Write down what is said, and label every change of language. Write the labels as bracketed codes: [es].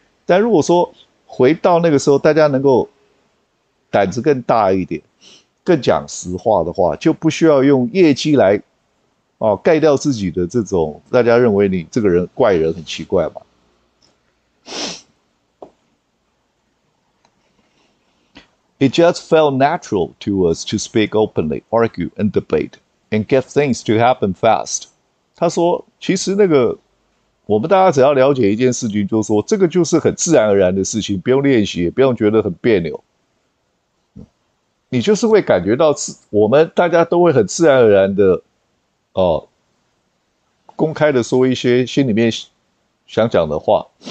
[zh] 但如果说回到那个时候，大家能够胆子更大一点，更讲实话的话，就不需要用业绩来盖掉自己的这种大家认为你这个人怪人很奇怪嘛。 [en] It just felt natural to us to speak openly, argue and debate, and get things to happen fast. [zh] 他说，其实那个。我们大家只要了解一件事情，就是说这个就是很自然而然的事情，不用练习，也不用觉得很别扭。你就是会感觉到我们大家都会很自然而然的，公开的说一些心里面想讲的话。